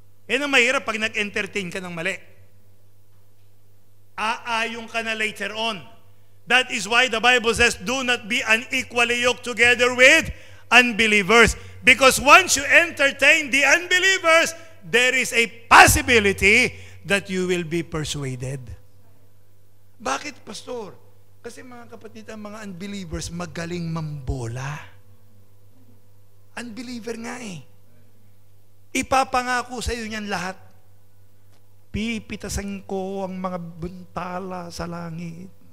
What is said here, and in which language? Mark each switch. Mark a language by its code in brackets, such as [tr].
[tl] Eh, ang mahirap pag nag-entertain ka ng mali. Aayong ka na later on. [en] That is why the Bible says, do not be unequally yoked together with unbelievers. Because once you entertain the unbelievers, there is a possibility that you will be persuaded. [tl] Bakit, Pastor? Kasi mga kapatid, ang mga unbelievers, magaling mambola. Unbeliever nga eh. Ipapangako sa iyo niyan lahat. Pipitasan ko ang mga buntala sa langit.